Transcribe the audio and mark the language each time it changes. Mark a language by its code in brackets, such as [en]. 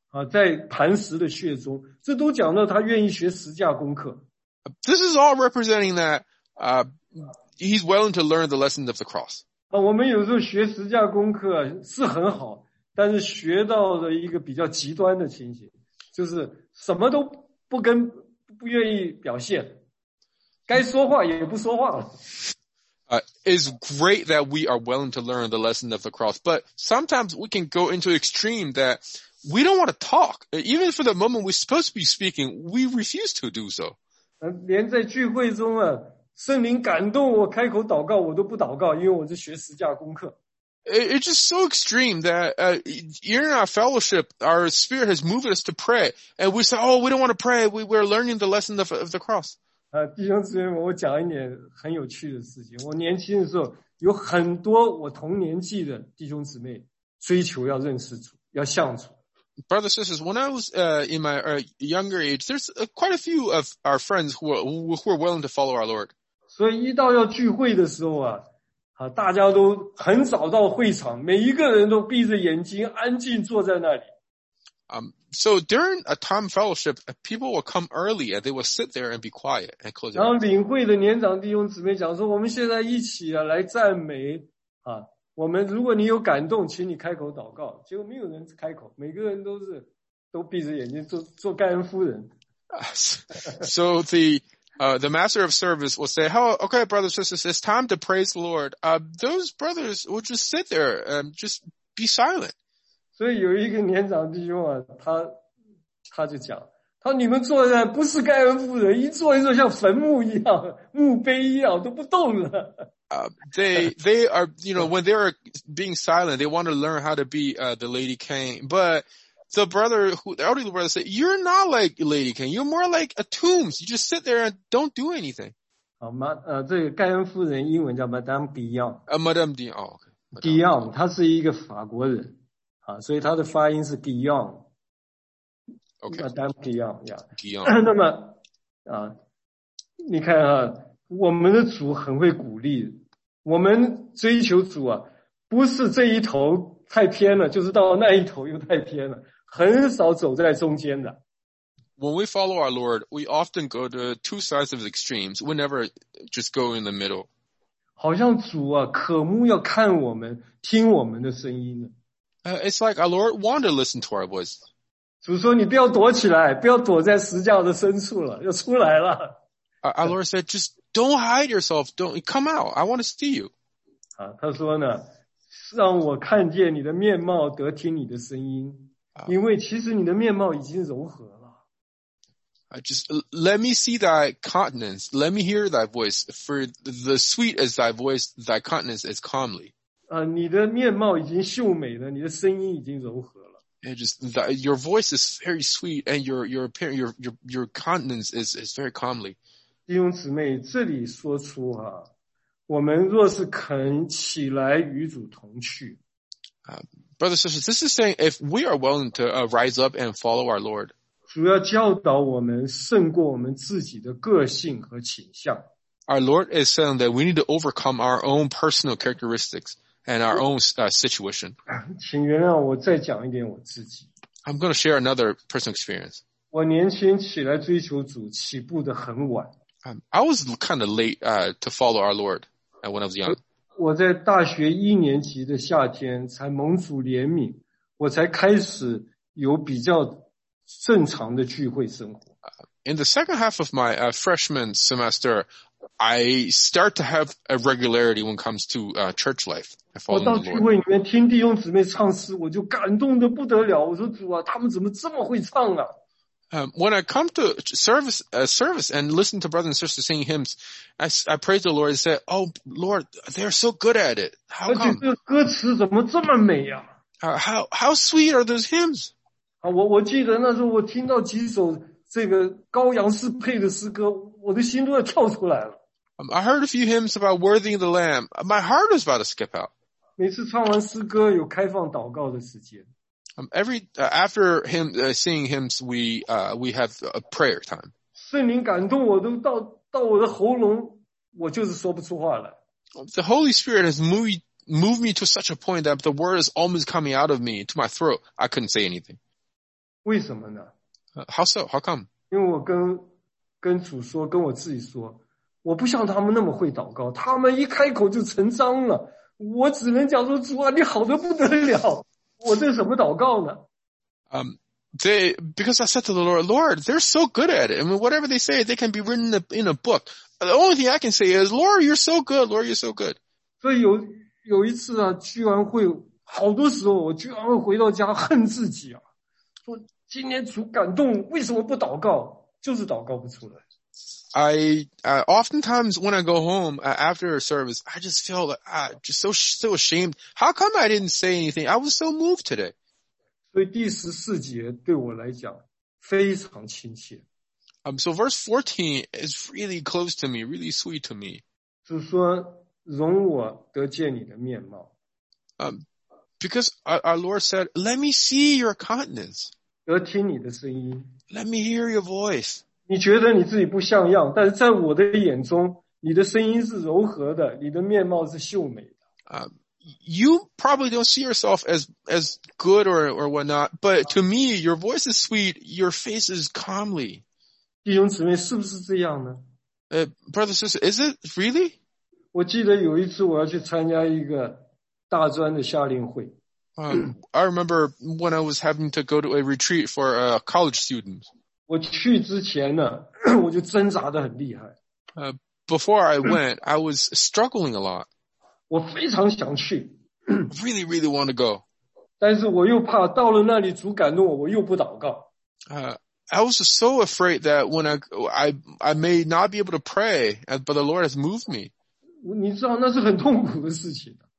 [zh] 在磐石的穴中，这都讲到他愿意学十架功课。 [en] This is all representing that, he's willing to learn the lessons of the cross. [zh] 我们有时候学十架功课是很好，但是学到的一个比较极端的情形，就是什么都不愿意表现，该说话也不说话了。 [en] It's great that we are willing to learn the lesson of the cross, but sometimes we can go into extreme that. We don't want to talk. Even for the moment we're supposed to be speaking, we refuse to do so. [zh] 连在聚会中啊，圣灵感动我开口祷告，我都不祷告，因为我是学十架功课。 [en] It's just so extreme that, in our fellowship, our spirit has moved us to pray, and we say, oh, we don't want to pray, we're learning the lesson of the cross. [zh] 弟兄姊妹们，我讲一点很有趣的事情。我年轻的时候，有很多我同年纪的弟兄姊妹追求要认识主，要向主。 [en] Brothers and sisters, when I was in my younger age, there's quite a few of our friends who were willing to follow our Lord. [zh] 所以一到要聚会的时候大家都很早到会场，每一个人都闭着眼睛安静坐在那里。 [en] So during a time fellowship, people will come early and they will sit there and be quiet and close their eyes. [zh] 然后领会的年长弟兄姊妹讲说，我们现在一起啊，来赞美啊。我们如果你有感动，请你开口祷告。结果没有人开口，每个人都闭着眼睛做盖恩夫人。 [en] So the master of service will say, "Oh, okay, brothers and sisters, it's time to praise the Lord." Those brothers will just sit there and just be silent. [zh] 所以有一个年长弟兄啊，他就讲，他说你们坐在不是盖恩夫人，一坐一坐像坟墓一样，墓碑一样都不动了。 [en] They are, you know, when they are being silent, they want to learn how to be, the Lady Cain. But the brother who, the elderly brother said, you're not like Lady Cain. You're more like a tomb. So you just sit there and don't do anything. [zh] 这个盖恩夫人英文叫 Madame Dion. [en] Madame Dion, oh, okay. [zh] Dion, 她是一个法国人。所以她的发音是 Dion. [en] Okay. Madame Dion, yeah. Dion. [zh] 那么你看啊，我们的主很会鼓励我们追求主啊，不是这一头太偏了，就是到那一头又太偏了，很少走在中间的。 [en] When we follow our Lord, we often go to two sides of the extremes. We never just go in the middle. [zh] 好像主啊，渴慕要看我们，听我们的声音呢。 [en] It's like our Lord want to listen to our voice. [zh] 主说你不要躲起来，不要躲在十字架的深处了，要出来了。 [en] Our Lord said, just don't hide yourself. Don't come out. I want to see you. [zh] 他说呢，让我看见你的面貌，得听你的声音，因为其实你的面貌已经柔和了。 [en] Just let me see thy countenance. Let me hear thy voice. For the sweet is thy voice, thy countenance is comely. [zh] 你的面貌已经秀美了，你的声音已经柔和了。 [en] And just your voice is very sweet, and your appearance, your countenance is very comely. [zh] 弟兄姊妹，这里说出啊，我们若是肯起来与主同去。 [en] Brothers and sisters, this is saying if we are willing to rise up and follow our Lord. [zh] 主要教导我们胜过我们自己的个性和倾向。 [en] Our Lord is saying that we need to overcome our own personal characteristics. And our own situation. [zh] 请原谅我再讲一点我自己。 [en] I'm going to share another personal experience. [zh] 我年轻起来追求主起步的很晚。 [en] I was kind of late to follow our Lord when I was young. [zh] 我在大学一年级的夏天才蒙主怜悯，我才开始有比较正常的聚会生活。 [en] In the second half of my freshman semester, I start to have a regularity when it comes to church life. I [zh] 到聚会里面听弟兄姊妹唱诗，我就感动得不得了。我说主啊，他们怎么这么会唱啊？ [en] When I come to service and listen to brothers and sisters singing hymns, I praise the Lord and say, "Oh Lord, they're so good at it. How come?" [zh] 而且这歌词怎么这么美啊？ [en] How sweet are those hymns? [zh] 我记得那时候我听到几首这个羔羊是配的诗歌，我的心都要跳出来了。 [en] I heard a few hymns about worthy the Lamb. My heart is about to skip out. [zh] 每次唱完诗歌有开放祷告的时间。 [en] After him singing hymns, we have a prayer time. [zh] 圣灵感动我都到我的喉咙，我就是说不出话来。 [en] The Holy Spirit has moved me to such a point that the word is almost coming out of me to my throat. I couldn't say anything. [zh] 为什么呢？ [en] How so? How come? [zh] 因为我跟主说，跟我自己说，我不像他们那么会祷告，他们一开口就成章了，我只能讲说主啊，你好得不得了，我这什么祷告呢？ [en] Because I said to the Lord, Lord, they're so good at it. I mean, whatever they say, they can be written in a book. The only thing I can say is, Lord, you're so good. Lord, you're so good. [zh] 所以有一次啊，聚完会，好多时候我聚完会回到家恨自己啊，说。今天主感动，为什么不祷告？就是祷告不出来。 [en] I oftentimes when I go home after a service, I just feel like just so ashamed. How come I didn't say anything? I was so moved today. [zh] 所以第十四节对我来讲非常亲切。 [en] So verse 14 is really close to me, really sweet to me. [zh] 主说容我得见你的面貌。 [en] Because our Lord said, "Let me see your countenance." [zh] 得听你的声音。 [en] Let me hear your voice. [zh] 你觉得你自己不像样，但是在我的眼中，你的声音是柔和的，你的面貌是秀美的。 [en] you probably don't see yourself as good or whatnot, but to me, your voice is sweet, your face is comely. [zh] 弟兄姊妹，是不是这样呢？ [en] Brother, sister, is it really? [zh] 我记得有一次我要去参加一个大专的夏令会。 [en] I remember when I was having to go to a retreat for a college student. [zh] 我去之前呢，我就挣扎得很厉害。 [en] Before I went, I was struggling a lot. [zh] 我非常想去。 [en] Really, really want to go. [zh] 但是我又怕到了那里主感动我，我又不祷告。 [en] I was so afraid that when I may not be able to pray, but the Lord has moved me. [zh] 你知道那是很痛苦的事情。